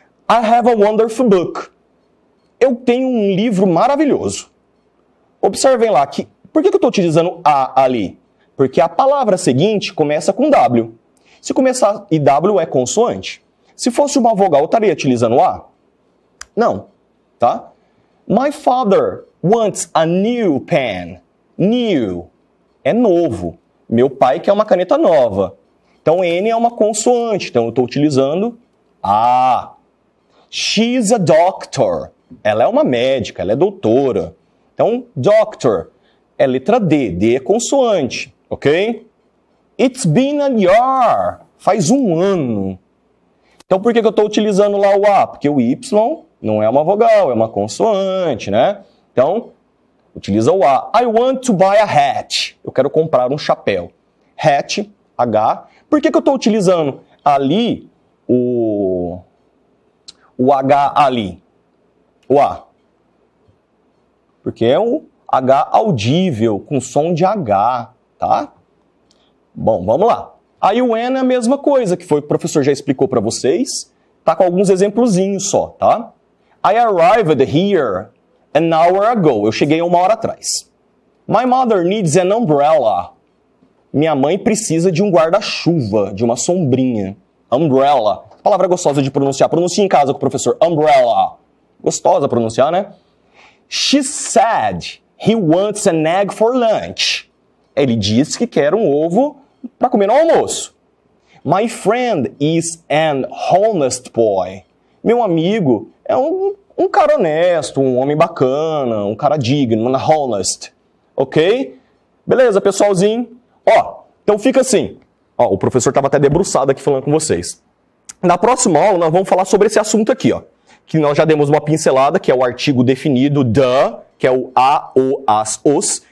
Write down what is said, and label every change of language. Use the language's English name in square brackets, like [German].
[English] I have a wonderful book. [Portuguese] Eu tenho um livro maravilhoso. Observem lá que... Por que eu estou utilizando a ali? Porque a palavra seguinte começa com W. Se começar... E W é consoante. Se fosse uma vogal, eu estaria utilizando A? Não. Tá? [English] My father wants a new pen. [Portuguese] New. É novo. Meu pai quer uma caneta nova. Então, N é uma consoante. Então, eu estou utilizando A. [English] She's a doctor. [Portuguese] Ela é uma médica. Ela é doutora. Então, doctor é letra D. D é consoante. Ok? [English] It's been a year. [Portuguese] Faz um ano. Então, por que eu estou utilizando lá o A? Porque o Y não é uma vogal, é uma consoante, né? Então, utiliza o A. [English] I want to buy a hat. [Portuguese] Eu quero comprar um chapéu. Hat, H. Por que eu estou utilizando ali o H ali? O A. Porque é o H audível, com som de H, tá? Bom, vamos lá. Aí o N é a mesma coisa que foi o professor já explicou para vocês. Tá com alguns exemplozinhos só, tá? [English] I arrived here an hour ago. [Portuguese] Eu cheguei uma hora atrás. [English] My mother needs an umbrella. [Portuguese] Minha mãe precisa de um guarda-chuva, de uma sombrinha. Umbrella. Palavra gostosa de pronunciar. Pronuncie em casa com o professor. Umbrella. Gostosa pronunciar, né? [English] She said he wants an egg for lunch. [Portuguese] Ele disse que quer um ovo para comer no almoço. [English] My friend is an honest boy. [Portuguese] Meu amigo é um cara honesto, um homem bacana, um cara digno, um honest. Ok? Beleza, pessoalzinho. Ó, então fica assim. Ó, o professor estava até debruçado aqui falando com vocês. Na próxima aula, nós vamos falar sobre esse assunto aqui, ó. Que nós já demos uma pincelada, que é o artigo definido, the, que é o a, o, as, os.